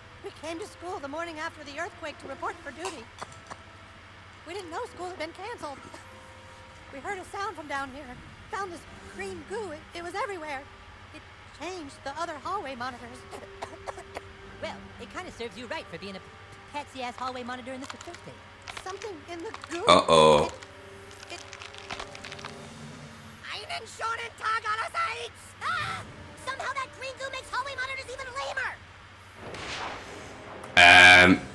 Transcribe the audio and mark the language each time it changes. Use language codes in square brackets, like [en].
[en] We came to school the morning after the earthquake to report for duty. We didn't know school had been canceled. We heard a sound from down here. Found this green goo. It was everywhere. It changed the other hallway monitors. Well, it kind of serves you right for being a patsy-ass hallway monitor in the facility. Something in the goo. Uh-oh. [de] Einen schönen Tag allerseits! [en] Somehow that green goo makes hallway monitors even lamer!